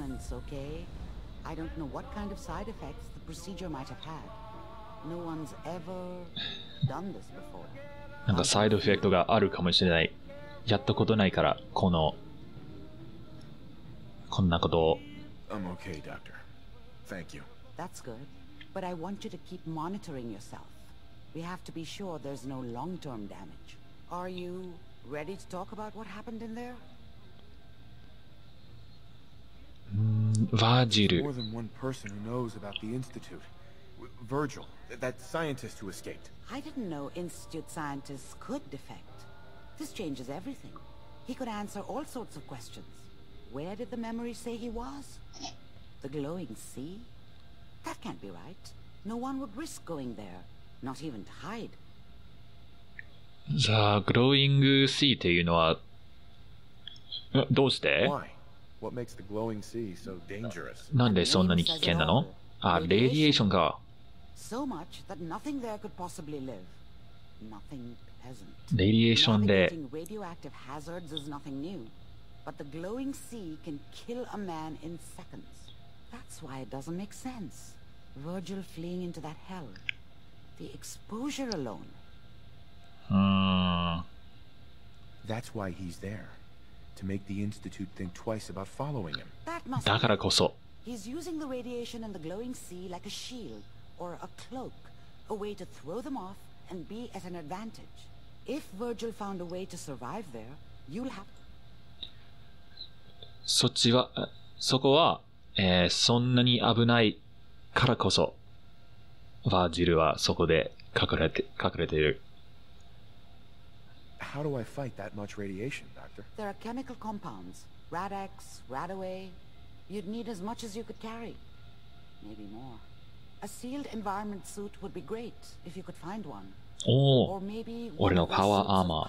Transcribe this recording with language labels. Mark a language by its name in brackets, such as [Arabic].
[English] Okay, I don't know what kind of side effects the procedure might have had. No one's ever done this before. [Japanese] なんかサイドエフェクトがあるかもしれない。やったことないからこのこんなことを。 [English] I'm okay, doctor. Thank you. That's good. But I want you to keep monitoring yourself. We have to be sure there's no long-term damage. Are you ready to talk about what happened in there? [Japanese] バージル。 [English] More than one person who knows about the institute. Virgil, that scientist who escaped. I didn't know institute scientists could defect. This changes everything. He could answer all sorts of questions. Where did the memory say he was? The glowing sea? That can't be right. No one would risk going there. Not even to hide. [Japanese] The glowing sea っていうのは、どうして？ [English] Why? What makes the glowing sea so dangerous? [Japanese] なんでそんなに危険なの？あ、レディエーションか。 [English] So much that nothing there could possibly live. Nothing pleasant. [Japanese] レディエーションで。 [English] Navigating radioactive hazards is nothing new. But the glowing sea can kill a man in seconds. That's why it doesn't make sense. Virgil fleeing into that hell. The exposure alone. That's why he's there. To make the institute think twice about following him. [Japanese] だからこそ。 [English] He's using the radiation and the glowing sea like a shield or a cloak, a way to throw them off and be at an advantage. If Virgil found a way to survive there, you'll have. [Japanese] そっちは、そこは、そんなに危ないからこそ、バージルはそこで隠れている。 [English] How do I fight that much radiation, doctor? There are chemical compounds. Radex, Radaway. You'd need as much as you could carry. Maybe more. A sealed environment suit would be great if you could find one. Oh, or maybe one of the suits of